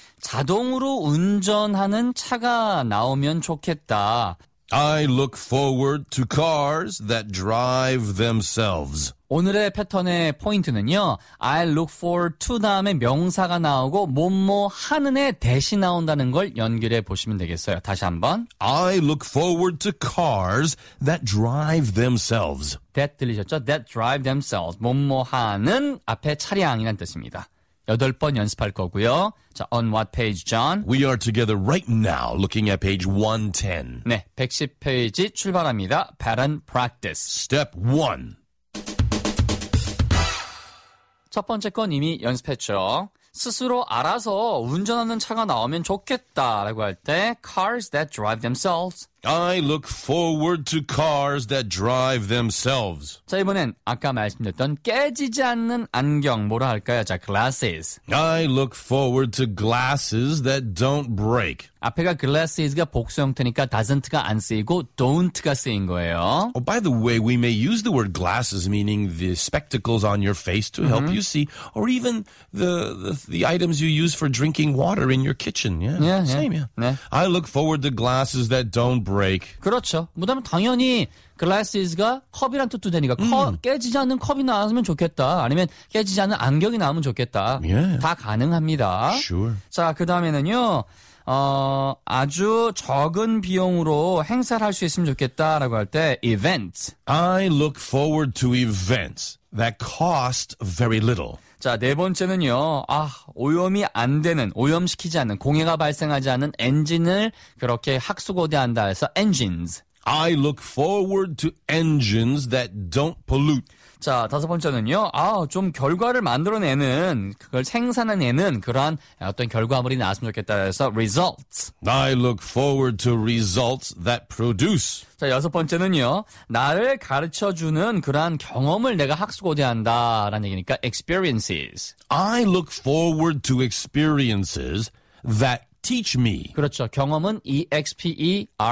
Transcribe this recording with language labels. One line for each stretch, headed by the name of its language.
Korean: 자동으로 운전하는 차가 나오면 좋겠다.
English: I look forward to cars that drive themselves.
Korean: 오늘의 패턴의 포인트는요.
English: I look forward to
Korean: 다음에 명사가 나오고 뭐뭐 하는에 대시 나온다는 걸 연결해 보시면 되겠어요. 다시 한번.
English: I look forward to cars that drive themselves. That
Korean: 들리셨죠?
English: That drive themselves.
Korean: 뭐뭐 하는 앞에 차량이란 뜻입니다. 여덟 번 연습할 거고요. 자,
English: on what page, John? We are together right now, looking at page 110.
Korean: 네, 110페이지 출발합니다.
English: Pattern practice. Step 1.
Korean: 첫 번째 건 이미 연습했죠. 스스로 알아서 운전하는 차가 나오면 좋겠다라고 할 때
English: cars that drive themselves. I look forward to cars that drive themselves.
Korean: 자, 이번엔 아까 말씀드렸던 깨지지 않는 안경 뭐라 할까요?
English: 자, glasses. I look forward to glasses that don't break.
Korean: 앞에가 glasses가 복수 형태니까 doesn't가 안 쓰이고 don't가 쓰인 거예요.
English: Oh, by the way, we may use the word glasses meaning the spectacles on your face to help you see or even the items you use for drinking water in your kitchen. Yeah. I look forward to glasses that don't break.
Korean: 그렇죠. 뭐냐면 당연히 glasses가 컵이란 뜻도 되니까 깨지지 않는 컵이 나왔으면 좋겠다. 아니면 깨지지 않는 안경이 나오면 좋겠다.
English: Yeah.
Korean: 다 가능합니다.
English: Sure.
Korean: 자, 그다음에는요. 아주 적은 비용으로 행사를 할 수 있으면 좋겠다라고 할 때 event.
English: I look forward to events that cost very little.
Korean: 자, 네 번째는요. 아, 오염이 안 되는, 오염시키지 않는, 공해가 발생하지 않는 엔진을 그렇게 학수고대한다 해서 engines.
English: I look forward to engines that don't pollute.
Korean: 자, 다섯 번째는요. 아, 좀 결과를 만들어내는, 그걸 생산해내는 그러한 어떤 결과물이 나왔으면 좋겠다 해서 results.
English: I look forward to results that produce.
Korean: 자, 여섯 번째는요. 나를 가르쳐주는 그러한 경험을 내가 학수고대한다라는 얘기니까 experiences.
English: I look forward to experiences that teach me.
Korean: 그렇죠. 경험은 experience.